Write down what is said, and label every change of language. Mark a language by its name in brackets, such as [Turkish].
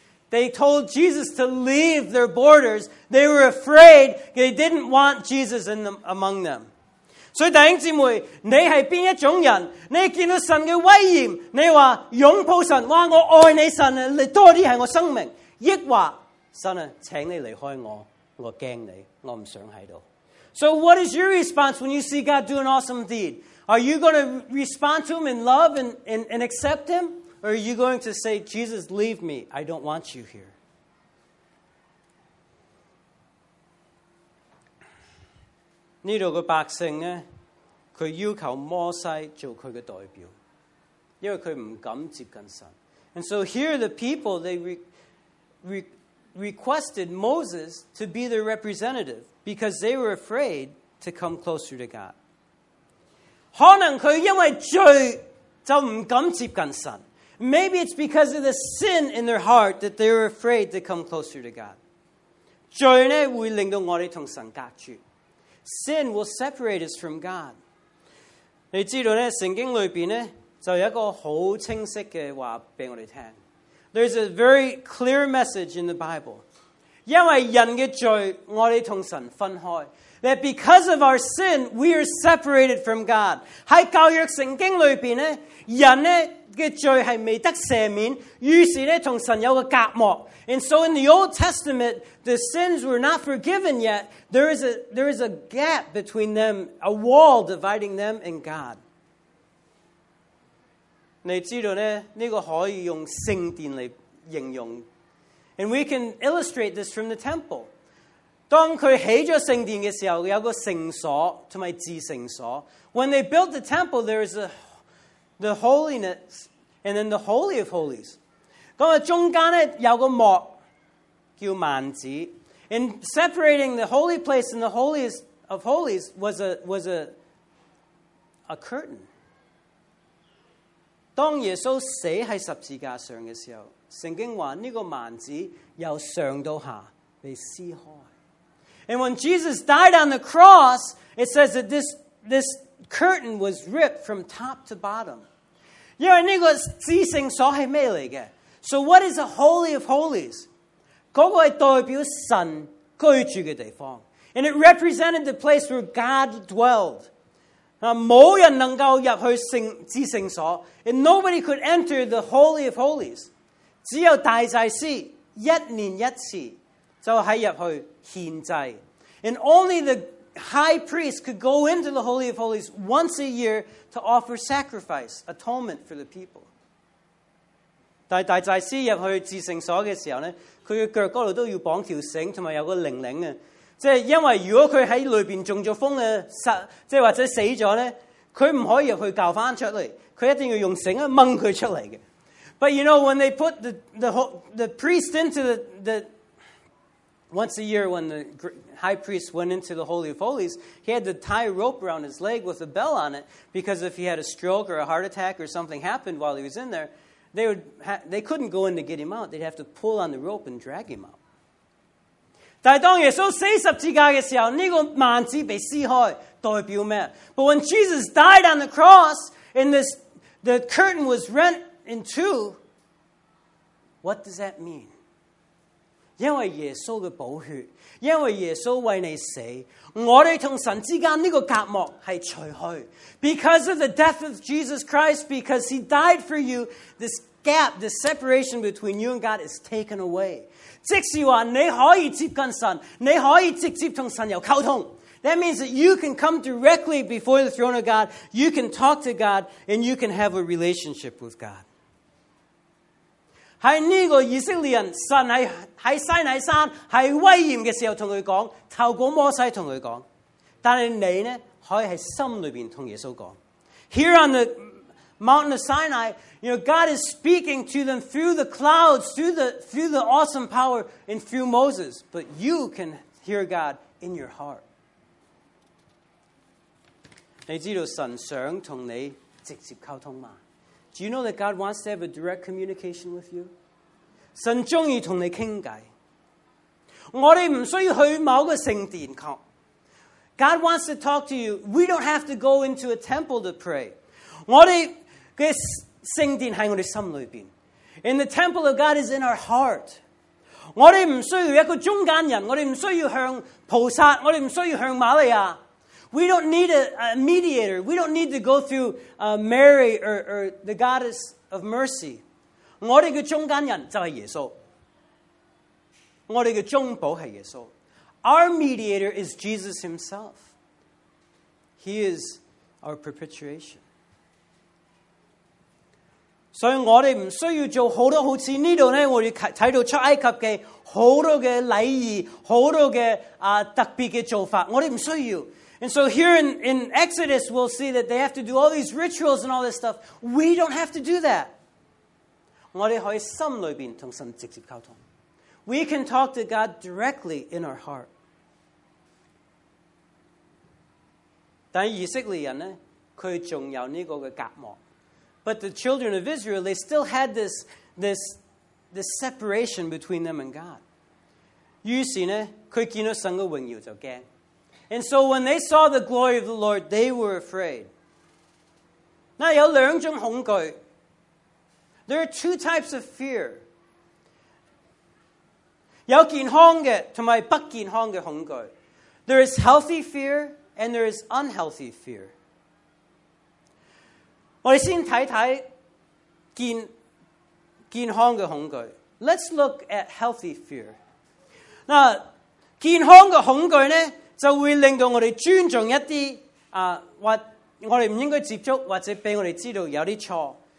[English] They told Jesus to leave their borders. They were afraid. They didn't want Jesus among them. [Cantonese] 所以弟兄姊妹，你是哪一种人？你见到神的威严，你说拥抱神，哇，我爱你神，你多些是我生命，抑或神请你离开我，我怕你，我不想在这里。 [English] So what is your response when you see God do an awesome deed? Are you going to respond to him in love and accept him? Or are you going to say, Jesus, leave me, I don't want you here? [Cantonese] This 度 嘅百姓呢，佢要求摩西做佢嘅代表，因为佢唔敢接近神。 [English] And so here the people, they requested Moses to be their representative because they were afraid to come closer to God. [Cantonese] 可能佢因为罪就唔敢接近神。 [English] Maybe it's because of the sin in their heart that they were afraid to come closer to God. [Cantonese] 罪呢会令到我哋同神隔绝。 [English] Sin will separate us from God. [Cantonese] 你知道呢，圣经里边呢就有一个好清晰嘅话俾我哋听。 [English] There's a very clear message in the Bible. [Cantonese] 因为人嘅罪，我哋同神分开。 [English] That because of our sin, we are separated from God. [Cantonese] 喺旧约圣经里边呢，人呢嘅罪系未得赦免，于是呢同神有个隔膜。 [English] And so in the Old Testament, the sins were not forgiven yet. There is a gap between them, a wall dividing them and God. [Cantonese] 你知道呢，这个可以用圣殿来形容。 [English] And we can illustrate this from the temple. [Cantonese] 当他起了圣殿的时候，有个圣所和至圣所。 [English] When they built the temple, there is the holiness and then the holy of holies. [Cantonese] 中间呢有个幕叫幔子。 [English] And separating the holy place and the holiest of holies was a curtain. [Cantonese] 当耶稣死在十字架上的时候，圣经说这个幔子由上到下被撕开。 [English] And when Jesus died on the cross, it says that this curtain was ripped from top to bottom. [Cantonese] 因为这个至圣所是什么来的？ [English] So what is a holy of holies? [Cantonese] 那个是代表神居住的地方。 [English] And it represented the place where God dwelled. [Cantonese] 没人能够入去至圣所， [English] and nobody could enter the holy of holies. [Cantonese] 只有大祭司一年一次就在入去献祭， [English] and only the high priest could go into the holy of holies once a year to offer sacrifice, atonement for the people. [Cantonese] 但大祭司入去至圣所的时候呢，他的脚嗰度都要绑条绳，同埋有个铃铃啊。即系因为如果佢喺里边中咗风咧，或者死咗咧，佢唔可以入去救翻出嚟，佢一定要用绳啊掹佢出嚟嘅。 [English] But you know when they put the priest into the once a year when the high priest went into the holy of holies, he had to tie a rope around his leg with a bell on it because if he had a stroke or a heart attack or something happened while he was in there, they couldn't go in to get him out. They'd have to pull on the rope and drag him out. [Cantonese] 但当耶稣死十字架的时候，这个幔子被撕开，代表什么？ [English] But when Jesus died on the cross, and the curtain was rent in two, what does that mean? [Cantonese] 因为耶稣的宝血，因为耶稣为你死，我们同神之间这个隔膜是除去。 [English] Because of the death of Jesus Christ, because he died for you, this gap, this separation between you and God is taken away. [Cantonese] 即是话你可以接近神，你可以直接同神有沟通。 [English] That means that you can come directly before the throne of God. You can talk to God and you can have a relationship with God. [Cantonese] 喺呢个以色列人，神喺西乃山喺威严嘅时候同佢讲，透过摩西同佢讲。但系你呢，可以喺心里边同耶稣讲。 [English] Here on the mountain of Sinai, you know, God is speaking to them through the clouds, through the awesome power and through Moses. But you can hear God in your heart. [Cantonese] 你知道神想同你直接沟通吗？ [English] Do you know that God wants to have a direct communication with you? [Cantonese] 神终于同你倾偈。我们不需要去某个圣殿。 [English] God wants to talk to you. We don't have to go into a temple to pray. [Cantonese] 我们嘅圣殿喺我哋心里边 [English] ，and the temple of God is in our heart。 [Cantonese] 我哋唔需要一个中间人，我哋唔需要向菩萨，我哋唔需要向玛利亚。 [English] We don't need a mediator. We don't need to go through Mary or the goddess of mercy. [Cantonese] 我哋嘅中间人就系耶稣。我哋嘅中保系耶稣。 [English] Our mediator is Jesus himself. He is our propitiation. [Cantonese] 所以我们不需要做很多好像这里我们看到出埃及的很多的礼仪很多的、特别的做法我们不需要 [English] And so here in Exodus we'll see that they have to do all these rituals and all this stuff We don't have to do that [Cantonese] 我们可以心里面跟神直接沟通 [English] We can talk to God directly in our heart [Cantonese] 但以色列人呢他还有这个隔膜 [English] But the children of Israel, they still had this separation between them and God. [Cantonese] 於是呢，佢見到神嘅榮耀就驚。 [English] And so when they saw the glory of the Lord, they were afraid. [Cantonese] 那有兩種恐懼。 [English] There are two types of fear. [Cantonese] 有健康嘅同埋不健康嘅恐懼。 [English] There is healthy fear and there is unhealthy fear. [Cantonese] 我们先看看 健康的恐惧。 [English] Let's look at healthy fear. [Cantonese] 那健康的恐惧呢就会令到我们尊重一些、我们不应该接触或者被我们知道有些错。